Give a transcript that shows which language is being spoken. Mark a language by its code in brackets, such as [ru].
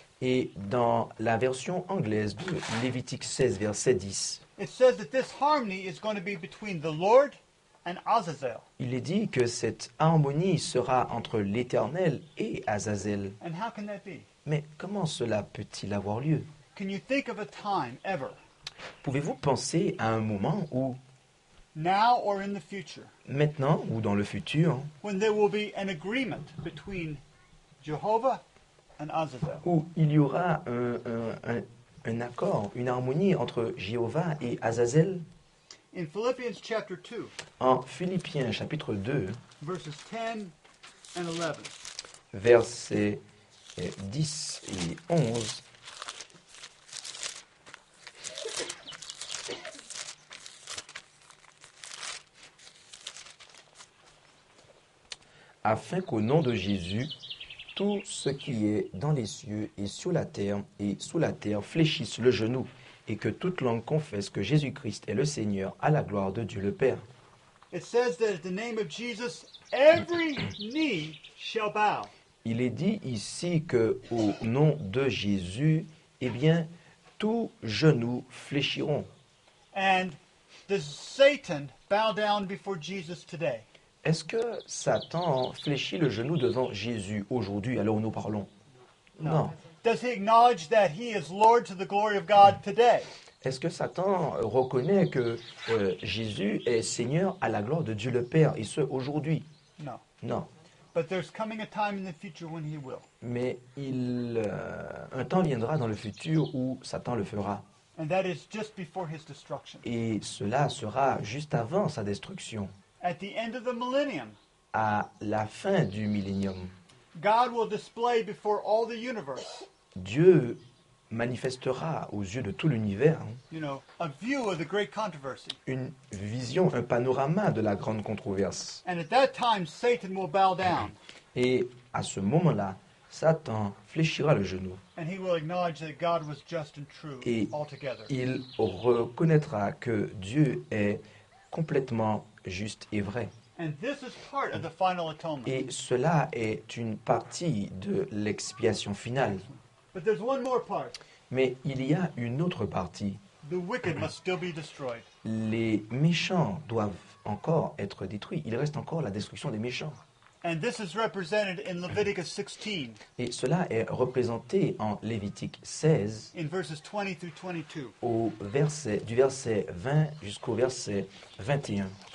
[fr] Et dans la version anglaise de Lévitique 16 verset 10. [en] It says that this harmony is going to be between the Lord and Azazel. [fr] Il est dit que cette harmonie sera entre l'Éternel et Azazel. [en] And how can that be? [fr] Mais comment cela peut-il avoir lieu? [en] Can you think of a time ever? [fr] Pouvez-vous penser à un moment où [en] now or in the future, [fr] maintenant ou dans le futur, [en] when there will be an agreement between Jehovah and Azazel, [fr] où il y aura un accord, une harmonie entre Jéhovah et Azazel? [en] In Philippians chapter 2, [fr] en Philippiens chapitre 2, [en] verses 10 and 11, [fr] versets 10 et 11. Afin qu'au nom de Jésus, tout ce qui est dans les cieux et sur la terre et sous la terre fléchisse le genou, et que toute langue confesse que Jésus-Christ est le Seigneur, à la gloire de Dieu le Père. [en] It says that in the name of Jesus, every knee shall bow. [fr] Il est dit ici que au nom de Jésus, eh bien, tous genoux fléchiront. [en] And does Satan bow down before Jesus today? [fr] Est-ce que Satan fléchit le genou devant Jésus aujourd'hui, alors nous parlons? Non. [en] Does he acknowledge that he is Lord to the glory of God today? [fr] Est-ce que Satan reconnaît que Jésus est Seigneur à la gloire de Dieu le Père, et ce, aujourd'hui? Non. Non. [en] But there's coming a time in the future when he will. [fr] Mais un temps viendra dans le futur où Satan le fera. [en] And that is just before his destruction. [fr] Et cela sera juste avant sa destruction. [en] At the end of the millennium, [fr] à la fin du millénium, [en] God will display before all the universe, [fr] Dieu manifestera aux yeux de tout l'univers, [en] you know, a view of the great controversy. [fr] Une vision, un panorama de la grande controverse. [en] And at that time, Satan will bow down. [fr] Et à ce moment-là, Satan fléchira le genou. [en] And he will acknowledge that God was just and true [fr] et [en] altogether. [fr] Il reconnaîtra que Dieu est complètement juste et vrai. [en] And this is part of the final atonement. [fr] Et cela est une partie de l'expiation finale. [en] But there's one more part. [fr] Mais il y a une autre partie. [en] The wicked must still be destroyed. [fr] Les méchants doivent encore être détruits. Il reste encore la destruction des méchants. [en] And this is represented in Leviticus 16. [fr] Et cela est représenté en Lévitique 16. [en] In verses 20 through 22. [fr] Du verset 20 jusqu'au verset 21.